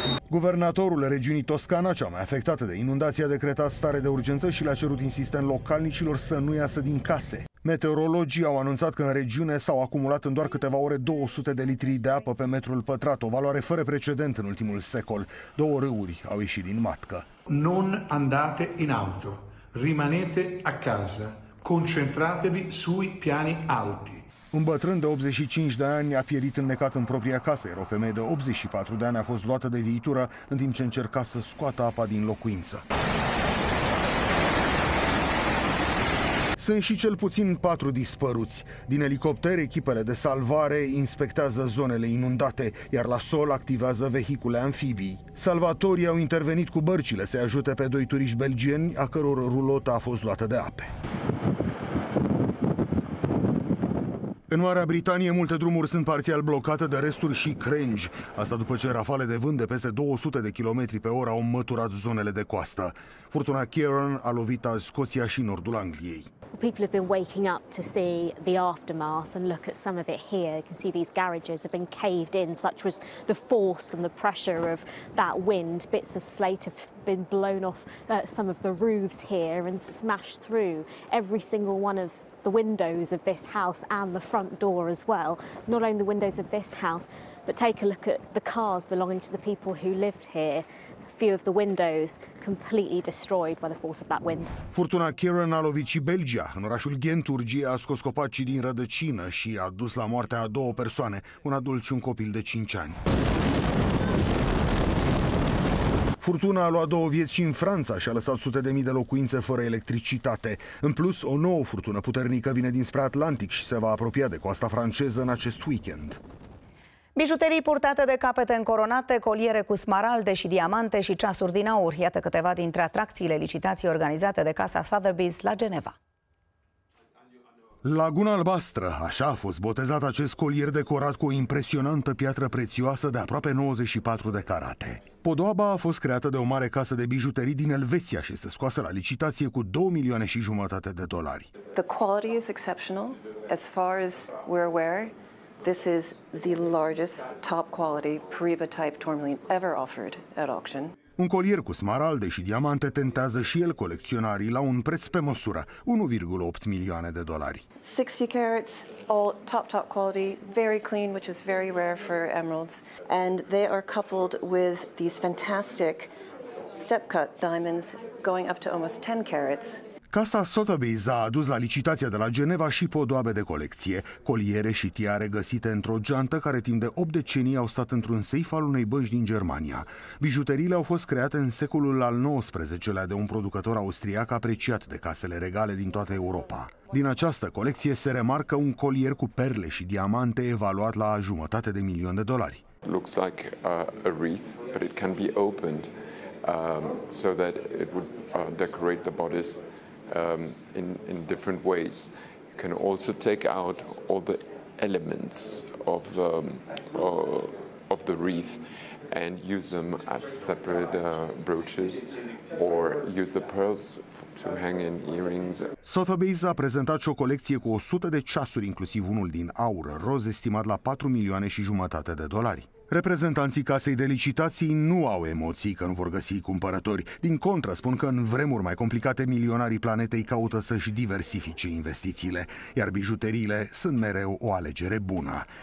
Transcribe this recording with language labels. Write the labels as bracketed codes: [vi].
[ro] Guvernatorul regiunii Toscana, cea mai afectată de inundații, a decretat stare de urgență și le-a cerut insistent localnicilor să nu iasă din case. Meteorologii au anunțat că în regiune s-au acumulat în doar câteva ore 200 de litri de apă pe metrul pătrat, o valoare fără precedent în ultimul secol. Două râuri au ieșit din matcă. [it] Non andate in auto, rimanete a casa, concentratevi sui piani alti. [ro] Un bătrân de 85 de ani a pierit înnecat în propria casă, iar o femeie de 84 de ani a fost luată de viitură în timp ce încerca să scoată apa din locuință. Sunt și cel puțin 4 dispăruți. Din elicopter, echipele de salvare inspectează zonele inundate, iar la sol activează vehicule amfibii. Salvatorii au intervenit cu bărcile să-i ajute pe 2 turiști belgieni, a căror rulotă a fost luată de ape. În Marea Britanie, multe drumuri sunt parțial blocate de resturi și crengi. Asta după ce rafale de vânt de peste 200 de km pe oră au măturat zonele de coastă. Furtuna Ciarán a lovit azi Scoția și nordul Angliei. [en] People have been waking up to see the aftermath and look at some of it here. You can see these garages have been caved in, such was the force and the pressure of that wind. Bits of slate have been blown off some of the roofs here and smashed through every single one of the windows of this house and the front door as well. Not only the windows of this house, but take a look at the cars belonging to the people who lived here. Few of the windows completely destroyed by the force of that wind. [ro] Furtuna Ciarán a lovit și Belgia. În orașul Ghent, urgia a scos copacii din rădăcină și a dus la moartea a două persoane, un adult și un copil de 5 ani. Furtuna a luat două vieți și în Franța și a lăsat sute de mii de locuințe fără electricitate. În plus, o nouă furtună puternică vine dinspre Atlantic și se va apropia de coasta franceză în acest weekend. Bijuterii purtate de capete încoronate, coliere cu smaralde și diamante și ceasuri din aur. Iată câteva dintre atracțiile licitației organizate de Casa Sotheby's la Geneva. Laguna Albastră, așa a fost botezat acest colier decorat cu o impresionantă piatră prețioasă de aproape 94 de carate. Podoaba a fost creată de o mare casă de bijuterii din Elveția și este scoasă la licitație cu 2 milioane și jumătate de dolari. [en] The quality is exceptional as far as we're aware. This is the largest top quality Pariba type tourmaline ever offered at auction. [ro] Un colier cu smaralde și diamante tentează și el colecționarii la un preț pe măsură, 1,8 milioane de dolari. [en] 60 carats, all top quality, very clean, which is very rare for emeralds, and they are coupled with these fantastic step cut diamonds going up to almost 10 carats. [ro] Casa Sotheby's a adus la licitația de la Geneva și podoabe de colecție, coliere și tiare găsite într-o geantă care timp de 8 decenii au stat într-un safe al unei bănci din Germania. Bijuteriile au fost create în secolul al XIX-lea de un producător austriac apreciat de casele regale din toată Europa. Din această colecție se remarcă un colier cu perle și diamante evaluat la jumătate de milion de dolari. [en] Looks like a wreath, but it can be opened so that it would decorate the bodice. In different ways. You can also take out all the elements of the wreath and use them as separate brooches or use the pearls to hang in earrings. [ro] Sotheby's a prezentat și o colecție cu 100 de ceasuri, inclusiv unul din aur roz, estimat la 4 milioane și jumătate de dolari. Reprezentanții casei de licitații nu au emoții că nu vor găsi cumpărători. Din contră, spun că în vremuri mai complicate, milionarii planetei caută să-și diversifice investițiile, iar bijuteriile sunt mereu o alegere bună.